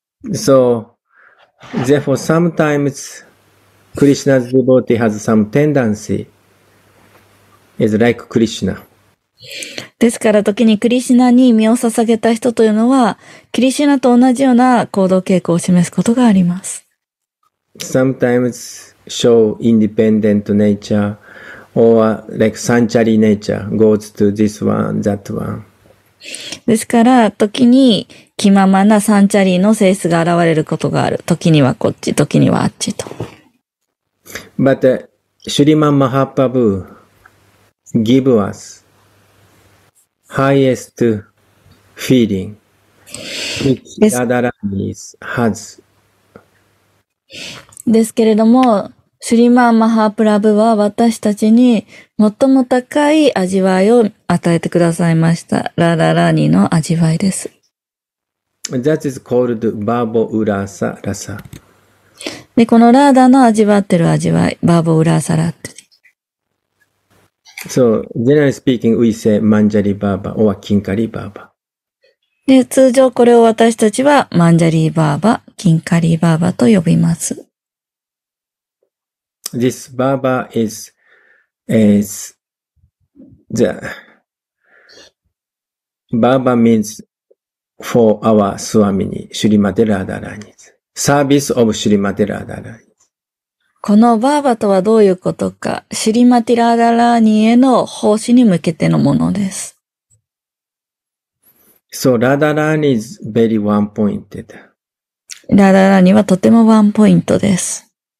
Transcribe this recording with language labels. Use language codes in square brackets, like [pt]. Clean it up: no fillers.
[en] So therefore sometimes Krishna's devotee has some tendency. Is like Krishna. [ja] ですから時にクリシュナに身を捧げた人というのはクリシュナと同じような行動傾向を示すことがあります。 [en] Sometimes show independent nature or like sanctuary nature goes to this one, that one. [ja] ですから時に気ままなサンチャリーの性質が現れることがある。時にはこっち、時にはあっちと。 [en] But Shriman Mahaprabhu give us highest feeling which Radharani has. [ja] ですけれども、シュリマン・マハープラブは私たちに最も高い味わいを与えてくださいました。ラダラニの味わいです。 [en] That is called バーボ・ウラーサ・ラサ。 [ja] で、このラーダの味わってる味わい、バーボ・ウラーサ・ラって。 [en] So, generally speaking, we say Manjari Baba or Kinkari Baba. [ja] で、通常これを私たちは Manjari Baba、Kinkari Baba と呼びます。 [en] This Baba is the Baba means for our Swamini, Shrimati Radharani. Service of Shrimati Radharani. [ja] このバーバとはどういうことか、シュリマティ・ラーダラーニへの奉仕に向けてのものです。 [en] So, ラーダラーニ is very one-pointed. [ja] ラーダラーニはとてもワンポイントです。